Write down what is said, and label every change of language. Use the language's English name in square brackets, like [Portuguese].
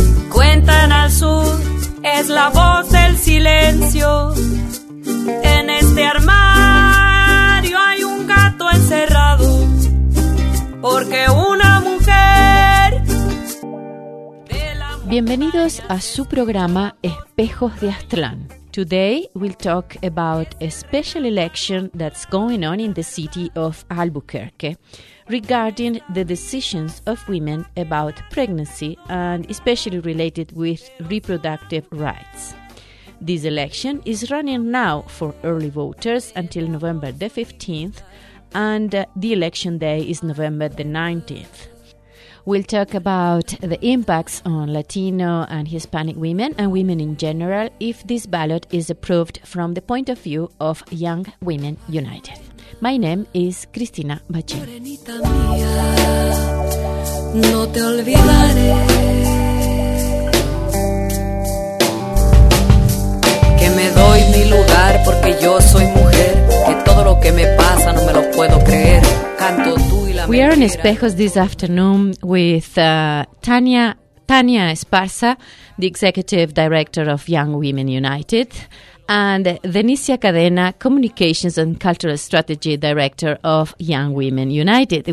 [Spanish] Cuentan al sur, es la voz del silencio. En este armario hay un gato encerrado, porque una mujer. Bienvenidos a su programa Espejos de Aztlán. [English] Today we'll talk about a special election that's going on in the city of Albuquerque regarding the decisions of women about pregnancy and especially related with reproductive rights. This election is running now for early voters until November the 15th and the election day is November the 19th. We'll talk about the impacts on Latino and Hispanic women and women in general if this ballot is approved from the point of view of Young Women United. My name is Cristina Bachín. [Spanish] Morenita mía, no te olvidaré. Que me doy mi lugar porque yo soy mujer. Que todo lo que me pasa no me lo puedo creer. Canto tú. [English] We are in Espejos this afternoon with Tania Esparza, the Executive Director of Young Women United, and Denicia Cadena, Communications and Cultural Strategy Director of Young Women United.